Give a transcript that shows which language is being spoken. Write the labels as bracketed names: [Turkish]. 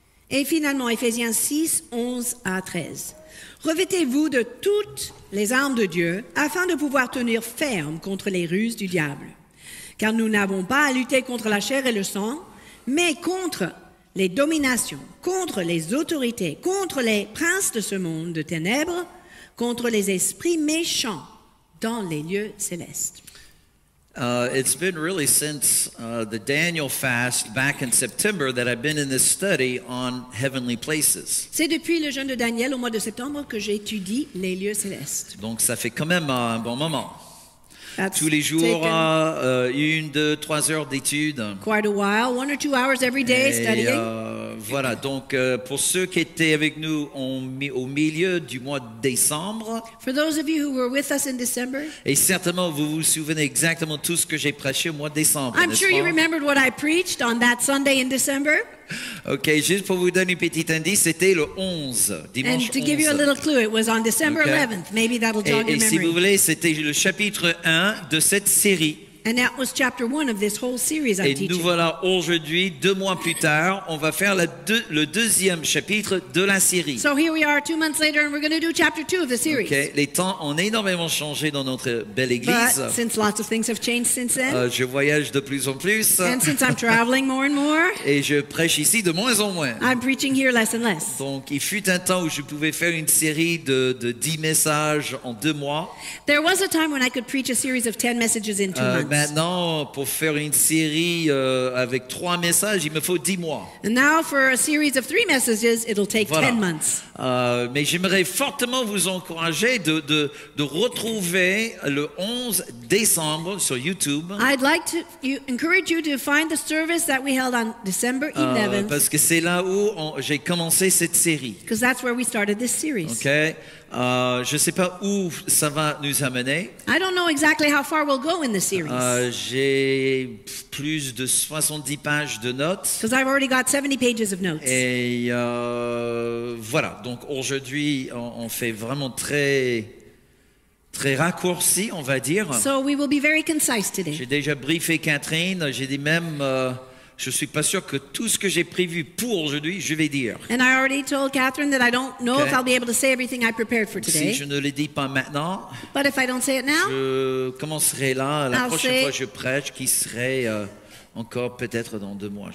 [French] Et finalement, Éphésiens 6, 11 à 13. Revêtez-vous de toutes les armes de Dieu afin de pouvoir tenir ferme contre les ruses du diable. Car nous n'avons pas à lutter contre la chair et le sang, mais contre les dominations, contre les autorités, contre les princes de ce monde de ténèbres, contre les esprits méchants dans les lieux célestes. [English] It's been really since the Daniel fast back in September that I've been in this study on heavenly places. [French] C'est depuis le jeûne de Daniel au mois de septembre que j'étudie les lieux célestes. Donc ça fait quand même un bon moment. That's tous les jours, une, deux, trois heures d'études. [English] Quite a while, one or two hours every day [French] et, [English] studying. [French] Voilà, donc pour ceux qui étaient avec nous au milieu du mois de décembre. [English] For those of you who were with us in December. [French] Et certainement, vous vous souvenez exactement tout ce que j'ai prêché au mois de décembre, [English] I'm sure you remembered what I preached on that Sunday in December. [French] OK, juste pour vous donner un petit indice, c'était le 11, dimanche 11. [English] And to give you a little clue, it was on December 11th. Maybe that'll jog your memory. [French] Et si vous voulez, c'était le chapitre 1 de cette série. [English] And that was chapter 1 of this whole series I'm teaching. [French] Et nous voilà aujourd'hui, deux mois plus tard, on va faire le deuxième chapitre de la série. [English] So here we are 2 months later and we're going to do chapter 2 of the series. [French] OK, les temps ont énormément changé dans notre belle église. [English] But since lots of things have changed since then. [French] Je voyage de plus en plus. [English] And since I'm traveling more and more. [French] Et je prêche ici de moins en moins. [English] I'm preaching here less and less. [French] Donc il fut un temps où je pouvais faire une série de 10 messages en 2 mois. [English] There was a time when I could preach a series of 10 messages in 2 months. [French] Maintenant, pour faire une série avec 3 messages, il me faut 10 mois. [English] And now for a series of 3 messages, it'll take 10 months. [French] Mais j'aimerais fortement vous encourager de retrouver le 11 décembre sur YouTube. [English] I'd like to encourage you to find the service that we held on December 11th. [French] Parce que c'est là où j'ai commencé cette série. [English] Because that's where we started this series. Okay. [French] Je ne sais pas où ça va nous amener. [English] I don't know exactly how far we'll go in the series. [French] J'ai plus de 70 pages de notes. [English] Because I've already got 70 pages of notes. [French] Et voilà, donc aujourd'hui, on fait vraiment très raccourci, on va dire. [English] So we will be very concise today. [French] J'ai déjà briefé Kathryn, j'ai dit même... je suis pas sûr que tout ce que j'ai prévu pour aujourd'hui, je vais dire. [English] And I already told Kathryn that I don't know if I'll be able to say everything I prepared for today. [French] Si je ne le dis pas maintenant, [English] but if I don't say it now, [French] je commencerai là la prochaine fois que je prêche, qui serait encore peut-être dans deux mois.